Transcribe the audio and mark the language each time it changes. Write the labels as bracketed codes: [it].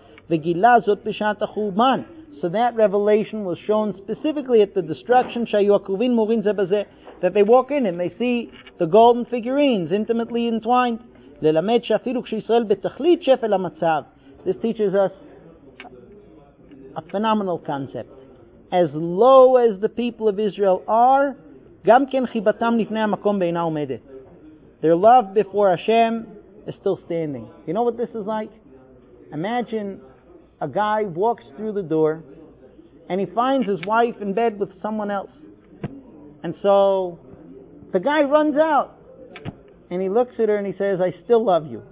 [he] V'gila zot b'shat ha'churban. [en] So that revelation was shown specifically at the destruction, [he] she'ayu ha'kruvin morin zeh b'zeh, [en] that they walk in and they see the golden figurines intimately entwined. [he] L'lamed she'afilu k'sh'Yisrael b'techlit shefel ha'matzav. [en] This teaches us a phenomenal concept. As low as the people of Israel are, [he] גם כן חיבתם לפני המקום בעינה עומדת. [en] Their love before Hashem is still standing. You know what this is like? Imagine a guy walks through the door and he finds his wife in bed with someone else. And so the guy runs out and he looks at her and he says, I still love you.